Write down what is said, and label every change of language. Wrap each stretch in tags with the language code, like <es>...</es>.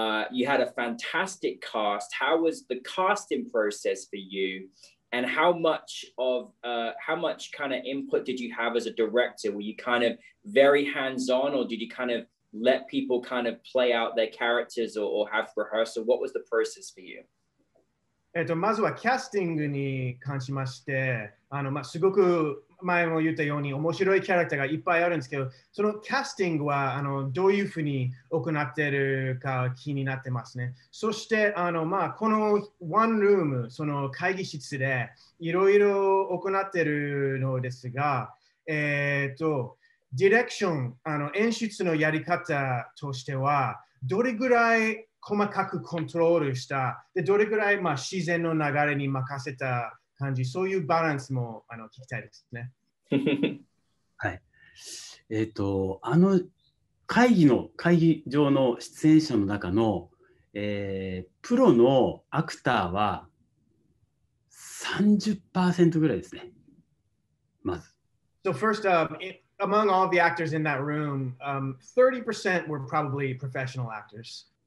<en>You had a fantastic cast. How was the casting process for you? And how much input did you have as a director? Were you kind of very hands-on, or did you kind of let people kind of play out their characters or have rehearsal? What was the process for you?</en> <ja>まずはキャスティングに関しまして、すごく前も言ったように面白いキャラクターがいっぱいあるんですけど、そのキャスティングはどういうふうに行っているか気になってますね。そしてこのワンルーム、その会議室でいろいろ行っているのですが、ディレクション、演出のやり方としてはどれぐらい細かくコントロールした、でどれぐらい自然の流れに任せた感じ、そういうバランスも聞きたいですね。はい、会議場の出演者の中の、プロのアクターは 30% ぐらいですね、まず。</ja> <en>So first, among all the actors in that room, 30% were probably professional actors.</en>